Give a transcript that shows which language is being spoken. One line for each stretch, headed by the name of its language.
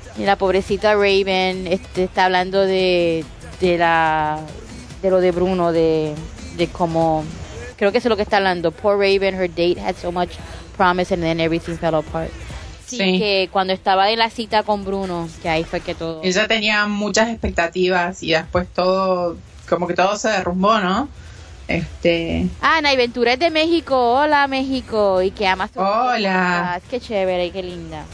Spanish: Y la pobrecita Raven está hablando de lo de Bruno, de cómo creo que eso es lo que está hablando.
English: Poor Raven, her date had so much promise and then everything fell apart.
Spanish: Sí. Que cuando estaba de la cita con Bruno, que ahí fue que todo... Ella tenía muchas expectativas y después todo, como que todo se derrumbó, ¿no? Nay Ventura es de México. Hola, México. Y que amas... Hola. Cosas. Qué chévere y qué linda.